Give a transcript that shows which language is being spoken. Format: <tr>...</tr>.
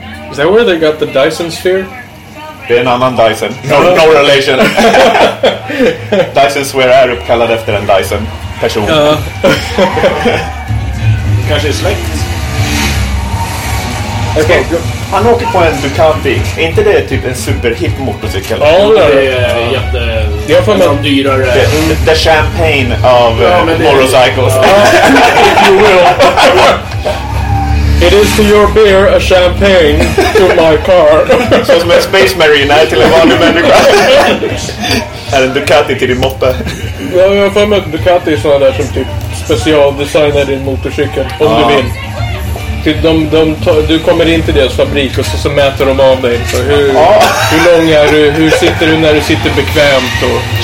<en>Is that where they got the Dyson sphere?</en> <sv>Det är en annan Dyson.</sv> <en>No relation.</en> <sv>Dyson sphere är uppkallad efter en Dyson person. Kanske är släkt. Okej, han åker på en Ducati. Är inte det typ en superhipp motorcykel? Ja, det är jätte... Det är dyrare.</sv> <en>The champagne of motorcycles. If you will. It is to your beer a champagne to my car.</en> <sv>Så som en Space Marine är till en vanlig människa. Är en Ducati till din moppe. Ja, jag har förmått Ducati är sådana där som typ specialdesignar din motorcykel, om du vill. Typ du kommer in till deras fabrik och så mäter de av dig. Så hur lång är du, hur sitter du när du sitter bekvämt och</sv>